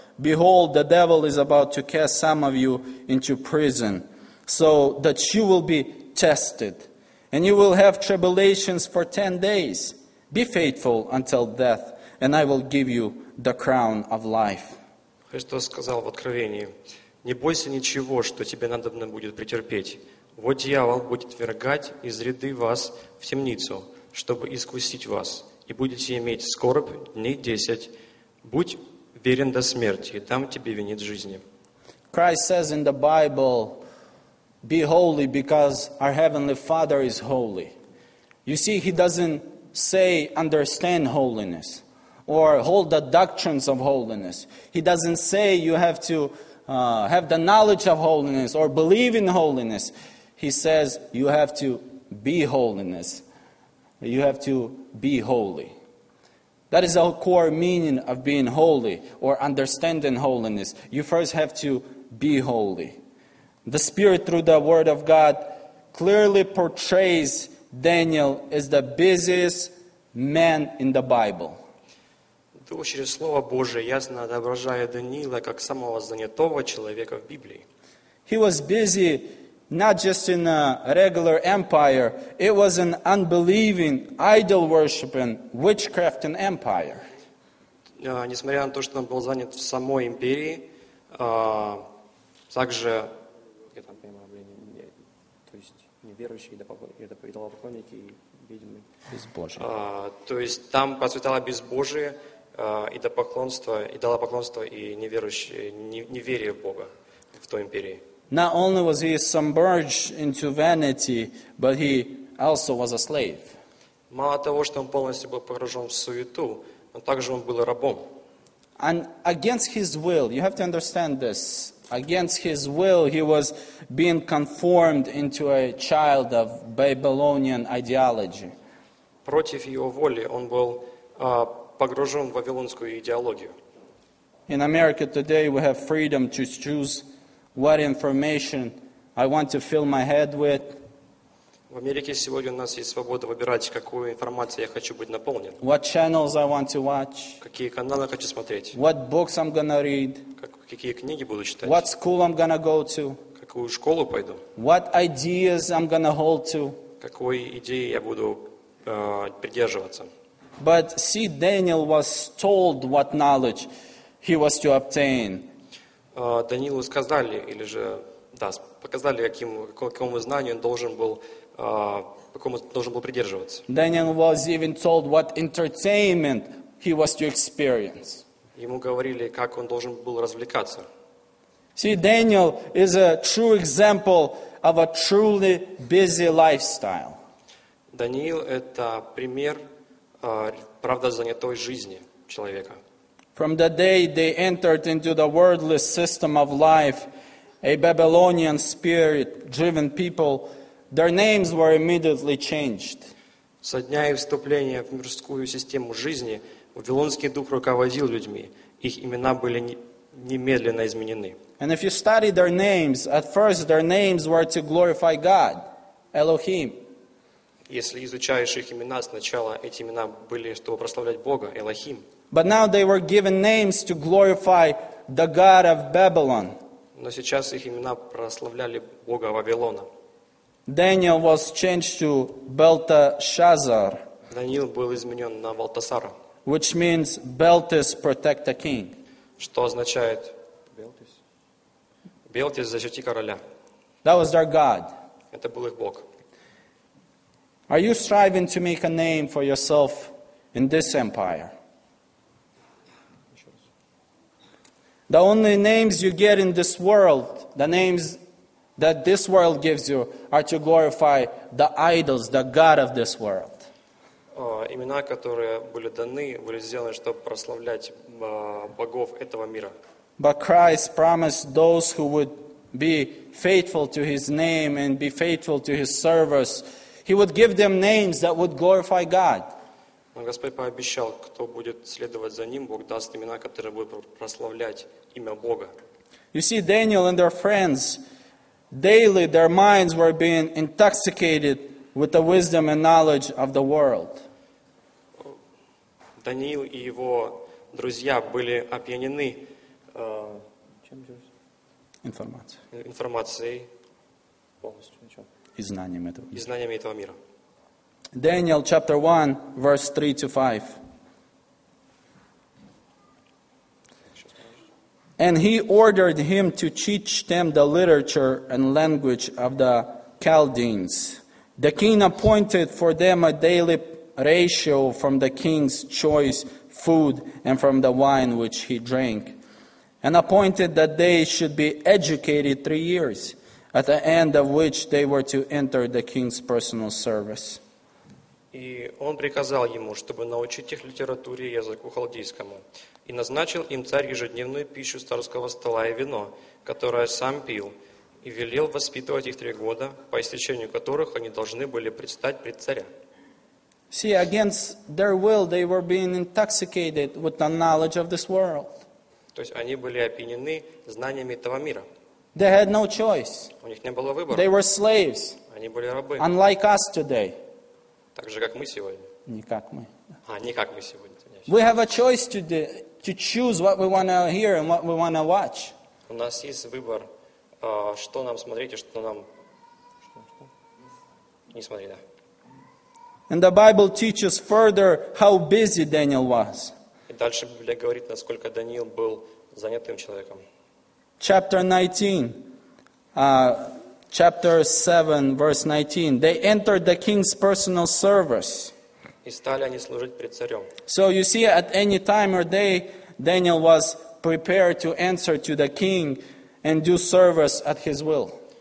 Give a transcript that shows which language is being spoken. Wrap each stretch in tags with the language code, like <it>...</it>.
<en>Behold, the devil is about to cast some of you into prison, so that you will be tested. And you will have tribulations for 10 days. Be faithful until death, and I will give you the crown of life.</en> <ru>Христос сказал в Откровении: «Не бойся ничего, что тебе надобно будет претерпеть. Вот дьявол будет ввергать из ряды вас в темницу, чтобы искусить вас, и будете иметь скорбь дней 10. Будь верен до смерти, и там тебе венец жизни».</ru> <en>Christ says in the Bible, be holy because our heavenly Father is holy. You see, he doesn't say understand holiness or hold the doctrines of holiness. He doesn't say you have to have the knowledge of holiness or believe in holiness. He says you have to be holiness. You have to be holy. That is the core meaning of being holy or understanding holiness. You first have to be holy. The Spirit through the Word of God clearly portrays Daniel is the busiest man in the Bible.</en> <ru>То через Слово Божие ясно отображая Даниила как самого занятого человека в Библии.</ru> <en>He was busy not just in a regular empire, it was an unbelieving, idol-worshipping, witchcrafting empire.</en> <ru>Несмотря на то, что он был занят в самой империи, также, я там понимаю, то есть неверующие, идолопоклонники и ведьмы. Безбожие. То есть там процветало безбожие, идолопоклонство, идолопоклонство и неверующие, неверие в Бога в той империи.</ru> <en>Not only was he submerged into vanity, but he also was a slave.</en> <ru>Мало того, что он полностью был погружен в суету, но также он был рабом.</ru> <en>And against his will, you have to understand this, against his will he was being conformed into a child of Babylonian ideology.</en> <ru>Против его воли он был погружен в вавилонскую идеологию.</ru> <en>In America today we have freedom to choose what information I want to fill my head with.</en> <ru>В Америке сегодня у нас есть свобода выбирать, какую информацию я хочу быть наполнен.</ru> <en>What channels I want to watch.</en> <ru>Какие каналы хочу смотреть.</ru> <en>What books I'm gonna read.</en> <ru>Какие книги буду читать.</ru> <en>What school I'm gonna go to.</en> <ru>Какую школу пойду.</ru> <en>What ideas I'm gonna hold to.</en> <ru>Какой идеи я буду придерживаться.</ru> <en>But see, Daniel was told what knowledge he was to obtain.</en> <ru>Даниилу сказали, или же, да, показали, какому знанию он должен был, какому должен был придерживаться.</ru> <en>Daniel was even told what entertainment he was to experience.</en> <ru>Ему говорили, как он должен был развлекаться.</ru> <en>See, Daniel is a true example of a truly busy lifestyle.</en> <ru>Даниил – это пример, правда, занятой жизни человека.</ru> <en>From the day they entered into the worldly system of life, a Babylonian spirit-driven people, their names were immediately changed.</en> <ru>Со дня их вступления в мирскую систему жизни, вавилонский дух руководил людьми, их имена были немедленно изменены.</ru> <en>And if you study their names, at first their names were to glorify God, Elohim.</en> <ru>Если изучаешь их имена, сначала эти имена были, чтобы прославлять Бога, Элохим.</ru> <en>But now they were given names to glorify the God of Babylon.</en> <ru>Но сейчас их имена прославляли Бога Вавилона.</ru> <en>Daniel was changed to Belteshazzar.</en> <ru>Даниил был изменен на Валтасара.</ru> <en>Which means Beltis protect the king.</en> <ru>Что означает Beltis? Beltis защити короля.</ru> <en>That was their God.</en> <ru>Это был их Бог.</ru> <en>Are you striving to make a name for yourself in this empire? The only names you get in this world, the names that this world gives you, are to glorify the idols, the God of this world.</en> <ru>Имена, которые были даны, были сделаны, чтобы прославлять богов этого мира.</ru> <en>But Christ promised those who would be faithful to his name and be faithful to his service, he would give them names that would glorify God.</en> <ru>Но Господь пообещал, кто будет следовать за ним, Бог даст имена, которые будут прославлять имя Бога.</ru> <en>You see, Daniel and their friends, daily their minds were being intoxicated with the wisdom and knowledge of the world.</en> <ru>Даниил и его друзья были опьянены информацией полностью и знанием этого мира.</ru> <en>Daniel chapter 1, verse 3 to 5. And he ordered him to teach them the literature and language of the Chaldeans. The king appointed for them a daily ratio from the king's choice food and from the wine which he drank, and appointed that they should be educated 3 years, at the end of which they were to enter the king's personal service.</en> <ru>И он приказал ему, чтобы научить их литературе и языку халдейскому, и назначил им царь ежедневную пищу царского стола и вино, которое сам пил, и велел воспитывать их 3 года, по истечению которых они должны были предстать пред царя.</ru> <en>See, against their will, they were being intoxicated with the knowledge of this world.</en> <ru>То есть они были опьянены знаниями этого мира.</ru> <en>They had no choice.</en> <ru>У них не было выбора.</ru> <en>They were slaves.</en> <ru>Они были рабы.</ru> <en>Unlike us today.</en> <ru>Так же, как мы сегодня. Не как мы. Не как мы сегодня.</ru> <en>We have a choice to choose what we want to hear and what we want to watch.</en> <ru>У нас есть выбор, что нам смотреть и что нам не смотреть, да.</ru> <en>And the Bible teaches further how busy Daniel was.</en> <ru>И дальше Библия говорит, насколько Даниил был занятым человеком.</ru> <en>Chapter 19, chapter 7, verse 19. They entered the king's personal service.</en> <ru>И стали они служить пред царем.</ru> <en>So you see, at any time or day, Daniel was prepared to answer to the king and do service at his will.</en>